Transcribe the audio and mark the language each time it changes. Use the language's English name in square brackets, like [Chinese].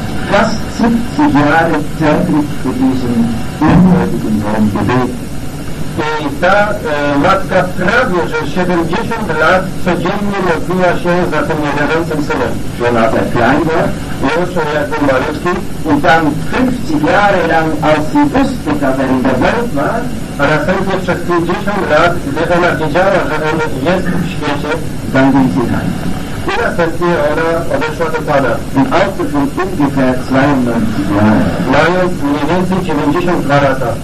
[German] Fast 70 Jahre zärtlich für diesen unwürdigen Sohn gebetet. [Polish] I ta matka prawie, że 70 lat codziennie modliła się za tym niewierzącym synem. [German] Schon als er klein war. [Polish] Już jak był malutki. [German] Und dann 50 Jahre lang, als sie wusste, dass er in der Welt war. [Polish] A następnie przez 50 lat, gdy ona wiedziała, że on jest w świecie. [German] Dann ging sie heim. [Polish] I następnie ona odeszła do Pana. [German] Im Alter von ungefähr 92 Jahren. [Polish] Mając mniej więcej 92 lata.